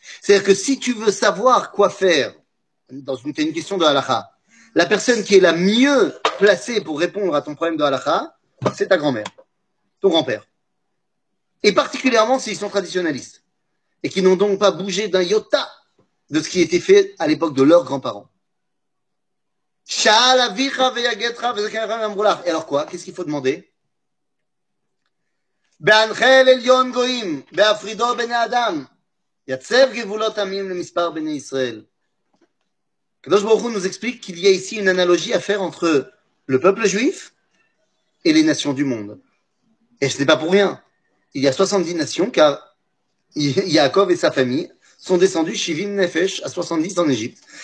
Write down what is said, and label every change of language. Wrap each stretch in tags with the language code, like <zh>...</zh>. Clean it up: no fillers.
<fr>C'est-à-dire que si tu veux savoir quoi faire, dans une question de halakha, la personne qui est la mieux placée pour répondre à ton problème de halakha, c'est ta grand-mère, ton grand-père. Et particulièrement s'ils sont traditionnalistes et qui n'ont donc pas bougé d'un iota de ce qui était fait à l'époque de leurs grands-parents. Et alors quoi? Qu'est-ce qu'il faut demander?</fr> <he>בהנחל עליון גויים, בהפרידו בני אדם, יצב גבולות עמים למספר בני ישראל.</he> <fr>הקדוש ברוך הוא nous explique qu'il y a ici une analogie à faire entre le peuple juif et les nations du monde. Et ce n'est pas pour rien. Il y a 70 nations car Yaakov et sa famille sont descendus</fr> <he>Shivim Nefesh</he> <fr>à 70 en Égypte.</fr>